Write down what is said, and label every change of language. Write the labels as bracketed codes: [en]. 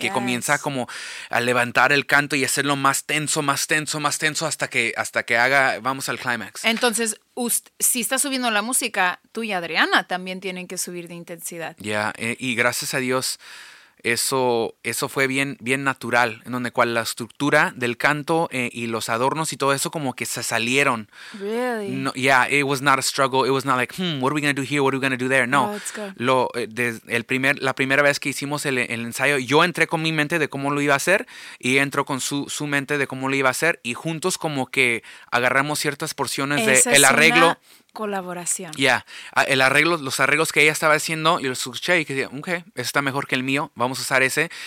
[es] Que comienza como a levantar el canto y hacerlo más tenso, más tenso, más tenso hasta que haga, vamos al clímax. Entonces, si está subiendo la música, tú y Adriana también tienen que subir de intensidad. Ya, yeah. Y gracias a Dios. Eso fue bien, bien natural, en donde cual la estructura del canto y los adornos y todo eso como que se salieron. [en] Really? No, yeah, it was not a struggle. It was not like, what are we going to do here? What are we going to do there? [es] No. [en] Oh, it's good. [es] La primera vez que hicimos el ensayo, yo entré con mi mente de cómo lo iba a hacer y entró con su mente de cómo lo iba a hacer y juntos como que agarramos ciertas porciones del arreglo. Colaboración. Ya, yeah. Los arreglos que ella estaba haciendo, yo los escuché y dije, ok, ese está mejor que el mío, vamos a usar ese.